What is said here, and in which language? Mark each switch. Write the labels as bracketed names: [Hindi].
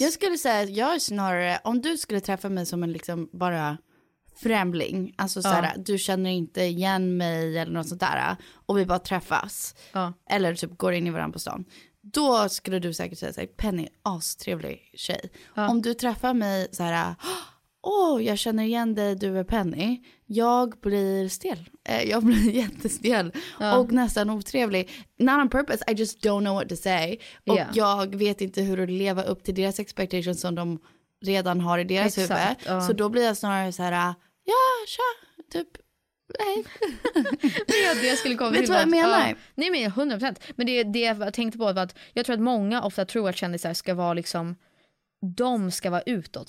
[Swedish] Jag skulle säga att jag är snarare, om du skulle träffa mig som en liksom bara främling, alltså såhär, du känner inte igen mig eller något sånt där och vi bara träffas eller typ går in i varandra på stan, då skulle du säkert säga såhär, Penny, astrevlig tjej. Om du träffar mig såhär, jag känner igen dig, du är Penny, jag blir stel. Jag blir jättestel och nästan otrevlig. [English] Not on purpose, I just don't know what to say. [Swedish] Och jag vet inte hur att leva upp till deras expectations som de redan har i deras huvud. Så då blir jag snarare så här, ja, tja, typ, hej. Men ja, det skulle komma vet till vad jag menar? Nej, men 100%. Men det jag tänkte på var att jag tror att många ofta tror att kändisar ska vara liksom, de ska vara utåt.